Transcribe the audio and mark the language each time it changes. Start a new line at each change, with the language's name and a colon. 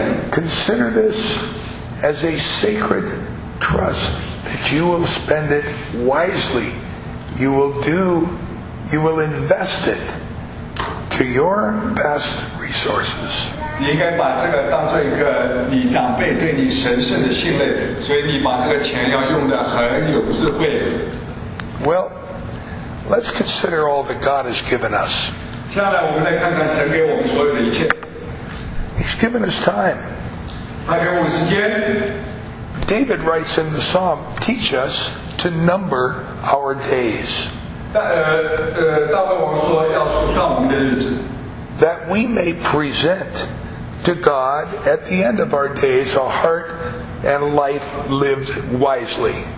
English: Consider this. As a sacred trust that you will spend it wisely, you will invest it to your best resources.
Chinese: 你应该把这个当做一个你长辈对你神圣的信赖，所以你把这个钱要用得很有智慧。
English: Well, let's consider all that God has given us.
Chinese: 接下来我们来看看神给我们所有的一切。
English: He's given us time. David writes in the psalm, teach us to number our days. That we may present to God at the end of our days a heart and life lived wisely.